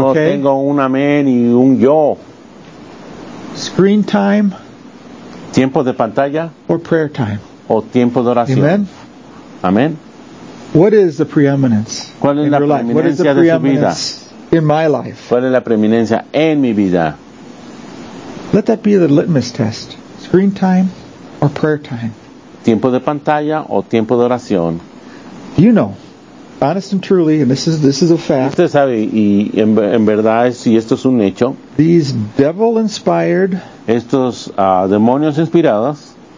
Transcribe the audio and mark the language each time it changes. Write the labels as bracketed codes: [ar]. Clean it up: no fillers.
[es] No, tengo un amén y un yo. [en] Screen time. [es] Tiempo de pantalla. [en] Or prayer time. [es] O tiempo de oración. [en] Amen. [es] Amen. [en] What is the preeminence [es] ¿Cuál es [en] in [es] la [en] your life? What is the preeminence in my life? [es] ¿Cuál es la preeminencia en mi vida? [en] Let that be the litmus test. Screen time or prayer time. [es] Tiempo de pantalla o tiempo de oración. [en] You know, honest and truly, and this is a fact. [es] Usted sabe y en verdad es, y esto es un hecho. [en] These devil-inspired [es] estos demonios inspirados